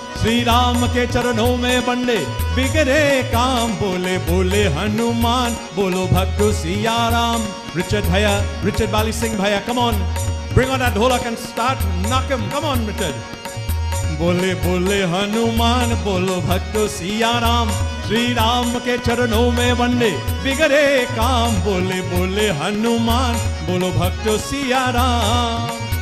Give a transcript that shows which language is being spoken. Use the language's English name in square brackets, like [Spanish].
[Hindi] श्री राम के चरणों में बंडे बिगरे काम, बोले बोले हनुमान, बोलो भक्तो Siya Ram. [English] Richard Bhaiya, Richard Bali Singh Bhaiya, come on, bring on that dholak and start knock him, come on Richard. [Hindi] बोले बोले हनुमान, बोलो भक्तो सिया राम, श्री राम के चरणों में बंडे बिगरे काम, बोले बोले हनुमान, बोलो भक्तो सिया राम।